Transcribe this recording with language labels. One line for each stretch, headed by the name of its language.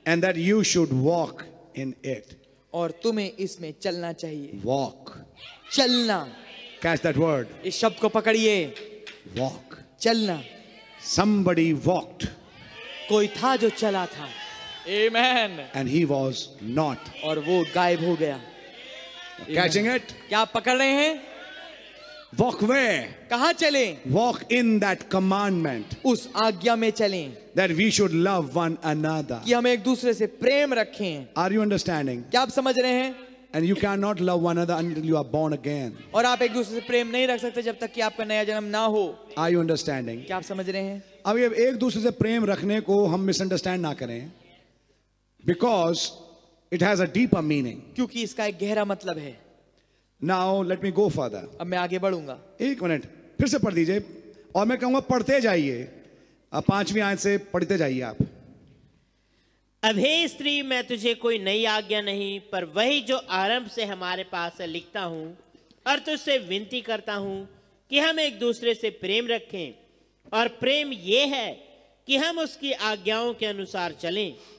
English: And that you should walk in it.
Hindi: और तुम्हें इसमें चलना चाहिए.
English: Walk.
Hindi: चलना.
English: Catch that word.
Hindi: इस शब्द को पकड़िए.
English: Walk.
Hindi: चलना.
English: Somebody walked.
Hindi: कोई था जो चला था.
English: Amen. And he was not.
Hindi: और वो गायब हो गया.
English: Catching it?
Hindi: क्या पकड़ रहे हैं?
English: Walk where?
Hindi: कहाँ चलें?
English: Walk in that commandment.
Hindi: उस आज्ञा में चलें.
English: That we should love one another.
Hindi: कि हम एक दूसरे से प्रेम रखें.
English: Are you understanding?
Hindi: क्या आप समझ रहे हैं?
English: And you cannot love one another until you are born again.
Hindi: और आप एक दूसरे से प्रेम नहीं रख सकते जब तक कि आपका नया जन्म ना हो.
English: Are you understanding?
Hindi: क्या आप समझ रहे हैं? अब ये एक दूसरे से प्रेम रखने को हम misunderstand ना करें.
English: Because it has a deeper meaning.
Hindi: क्योंकि इसका एक गहरा मतलब है.
English: Now let me go further.
Hindi: अब मैं आगे बढ़ूंगा. एक मिनट फिर से पढ़ दीजिए और मैं कहूंगा पढ़ते जाइए. अब पांचवी आयत से पढ़ते जाइए आप. अब हे स्त्री मैं तुझे कोई नई आज्ञा नहीं पर वही जो आरंभ से हमारे पास है लिखता हूँ और तुझसे विनती करता हूँ कि हम एक दूसरे से प्रेम रखें और प्रेम ये है कि हम उसकी आज्ञाओं के अनुसार चलें.